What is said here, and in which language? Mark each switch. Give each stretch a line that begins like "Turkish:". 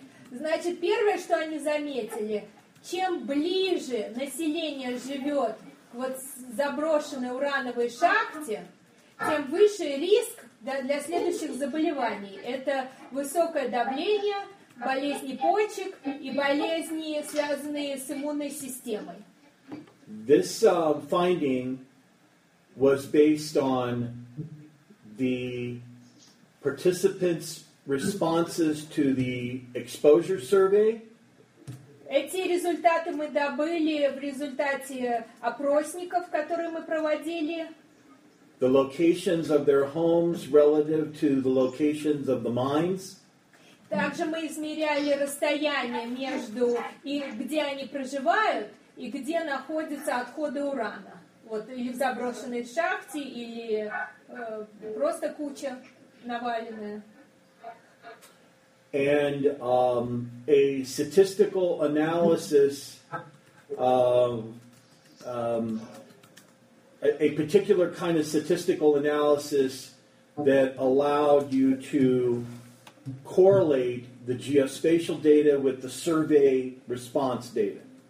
Russian: Значит, первое, что они заметили, чем ближе население живет к вот заброшенной урановой шахте, тем выше риск для следующих заболеваний. Это высокое давление, болезни почек и болезни, связанные с иммунной системой.
English: This finding was based on the participants' responses to the exposure survey.
Russian: Эти результаты мы добыли в результате опросников, которые мы проводили.
English: The locations of their homes relative to the locations of the mines.
Russian: Также мы измеряли расстояние между и где они проживают и где находятся отходы урана. Вот или в заброшенной шахте, или просто куча наваленная.
English: And a statistical analysis of a particular kind of statistical analysis that allowed you to correlate the geospatial data with the survey response data.